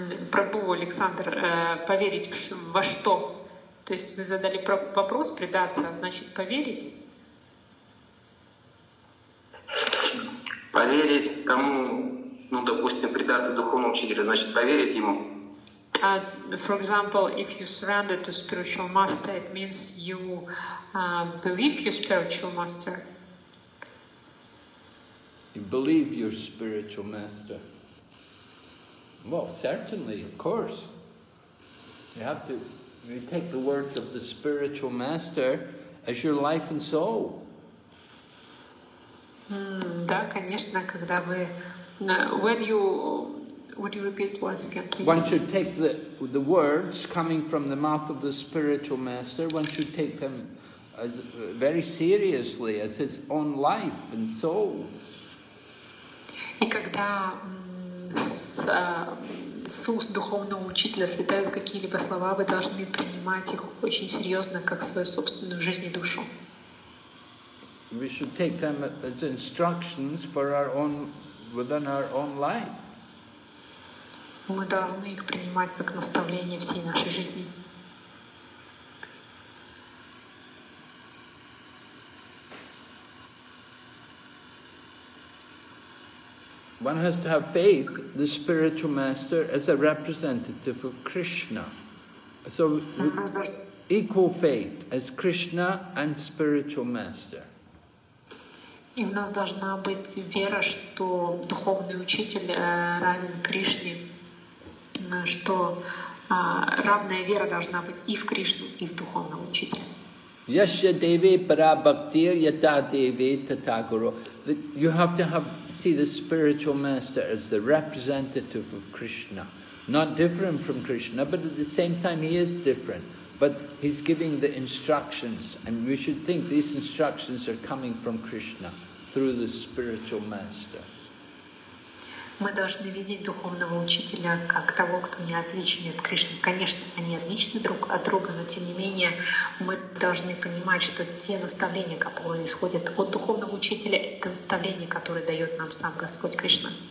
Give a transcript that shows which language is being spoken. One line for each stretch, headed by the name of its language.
Russian: Прабу, Александр, поверить во что? То есть вы задали вопрос, предаться, значит поверить? Поверить кому? Ну, допустим, предаться духовному учителю, значит поверить ему?
English: For example, if you surrender to spiritual master, it means you believe your spiritual master. You believe your spiritual master. Well, certainly, of course. You have to, you take the words of the spiritual master as your life and soul.
Russian: Да, конечно, когда вы...
English: When you... Would you repeat once again, please? One should take the words coming from the mouth of the spiritual master, one should take them as very seriously as his own life and soul.
Russian: И когда с уст духовного учителя слетают какие-либо слова, вы должны принимать их очень серьезно, как свою собственную жизнь и душу.
English: We should take them as instructions for our own, within our own life.
Russian: Мы должны их принимать как наставление всей нашей жизни.
English: One has to have faith, the spiritual master, as a representative of Krishna. So, equal faith as Krishna and spiritual master.
Russian: И у нас должна быть вера, что духовный учитель равен Кришне, что равная вера должна быть и в Кришну, и в духовного учителя.
Sanskrit: Yasya Devi Parabhaktir Yata Devi Tata Guru.
English: You have to have see the spiritual master as the representative of Krishna. Not different from Krishna, but at the same time he is different. But he's giving the instructions, and we should think these instructions are coming from Krishna through the spiritual master.
Russian: Мы должны видеть духовного учителя как того, кто не отличен от Кришны. Конечно, они отличны друг от друга, но тем не менее мы должны понимать, что те наставления, которые исходят от духовного учителя, это наставления, которые дает нам сам Господь Кришна.